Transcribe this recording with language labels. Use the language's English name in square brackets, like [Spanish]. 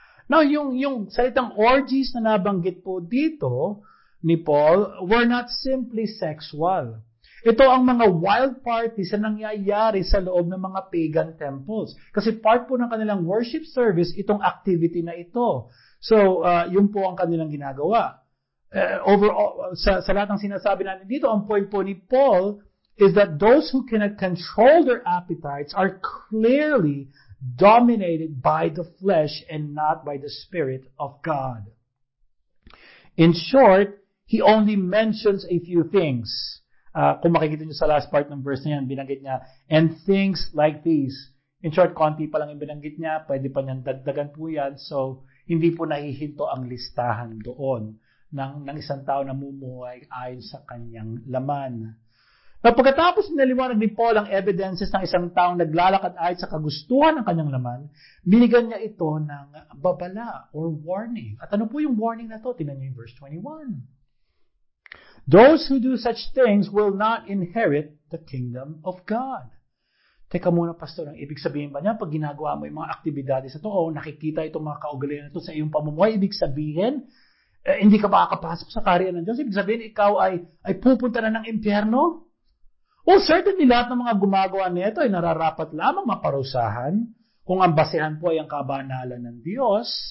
[Filipino] Now, yung salitang orgies na nabanggit po dito ni Paul were not simply sexual. Ito ang mga wild parties na nangyayari sa loob ng mga pagan temples. Kasi part po ng kanilang worship service, itong activity na ito. So, yun po ang kanilang ginagawa. [English] Overall, sa lahat ng sinasabi natin dito, ang point po ni Paul is that those who cannot control their appetites are clearly dominated by the flesh and not by the Spirit of God. In short, he only mentions a few things. [Filipino] Kung makikita niyo sa last part ng verse niya, binanggit niya, and things like these. In short, konti pa lang yung binanggit niya, pwede pa niyang dagdagan po yan. So, hindi po nahihinto ang listahan doon ng isang tao na mumuhay ayon sa kanyang laman. Now, pagkatapos naliwanag ni Paul ang evidences ng isang taong naglalakad ayon sa kagustuhan ng kanyang laman, binigyan niya ito ng babala or warning. At ano po yung warning na to? Tingnan niyo yung verse 21. [English] Those who do such things will not inherit the kingdom of God. [Filipino] Teka muna, Pastor, ang ibig sabihin ba niya? Pag ginagawa mo yung mga aktibidades ito, o nakikita itong mga kaugalian ito sa iyong pamumuhay, ibig sabihin, hindi ka makakapasok sa kaharian ng Diyos? Ibig sabihin, ikaw ay pupunta na ng impyerno? Well, certainly lahat ng mga gumagawa nito ay nararapat lamang maparusahan kung ang basehan po ay ang kabanalan ng Diyos.